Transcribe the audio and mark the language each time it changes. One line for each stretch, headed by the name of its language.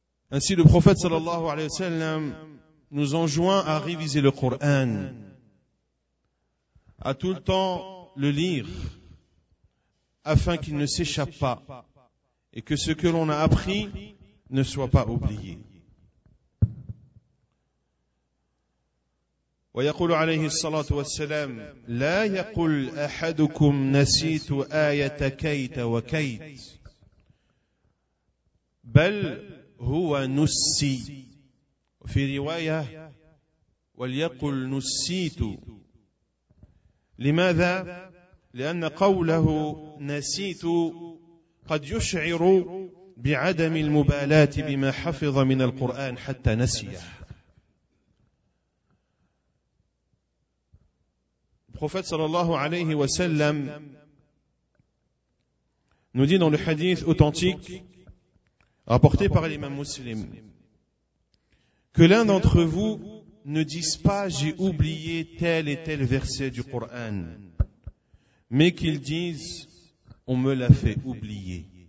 French: Ainsi, le prophète sallallahu alayhi wa sallam nous enjoint à réviser le Coran, à tout le temps le lire, afin qu'il ne s'échappe pas et que ce que l'on a appris ne soit pas oublié.
Arabic: ويقول عليه الصلاة والسلام لا يقول أحدكم نسيت آية كيت وكيت بل هو نسي. في رواية وليقل نسيت. لماذا؟ لأن قوله نسيت قد يشعر بعدم المبالاة بما حفظ من القرآن حتى نسيه.
French: prophète sallallahu alayhi wa sallam nous dit dans le hadith authentique rapporté par l'imam muslim que l'un d'entre vous ne dise pas j'ai oublié tel et tel verset du Coran, mais qu'il dise on me l'a fait oublier.